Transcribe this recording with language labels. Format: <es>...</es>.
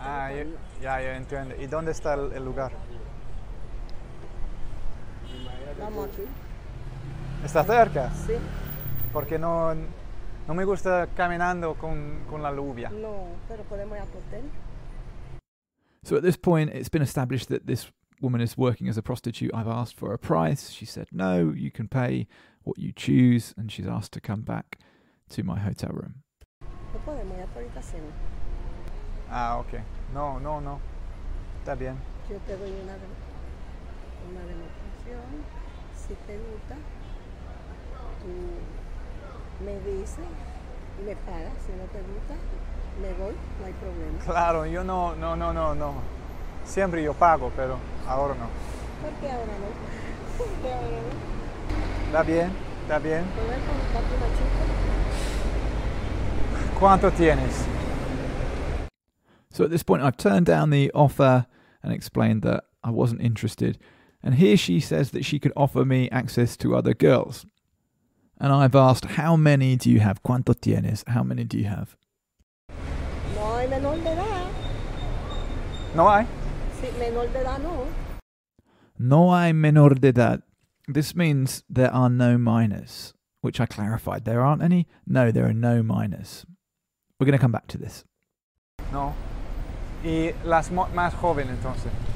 <es>ah, yo, ya, ya entiendo. ¿Y dónde está el lugar? Vamos aquí. ¿Está cerca? Sí. Porque no, no me gusta caminando con la lluvia. No, pero podemos ir a hotel.</es> <en>So at this point, it's been established that this woman is working as a prostitute. I've asked for a price. She said, no, you can pay what you choose. And she's asked to come back to my hotel room.</en> <es>Ah, okay. No, no, no. Está bien. Yo te doy una demostración. Si te gusta, tú me dices, me pagas. Si no te gusta, me voy, no hay problema. Claro, yo no, no, no, no, no. Siempre yo pago, pero ahora no. ¿Por qué ahora no? ¿Por qué ahora no? Está bien, está bien. ¿Puedes contarte una chica? ¿Cuánto tienes?</es> <en>So at this point, I've turned down the offer and explained that I wasn't interested. And here she says that she could offer me access to other girls. And I've asked, how many do you have?</en> <es>¿Cuánto tienes?</es> <en>How many do you have?</en> <es>No hay menor de edad. No hay. Menor de edad, no. No hay menor de edad.</es> <en>This means there are no minors, which I clarified. There aren't any? No, there are no minors. We're going to come back to this.</en> <es>No. ¿Y las más jóvenes, entonces?</es>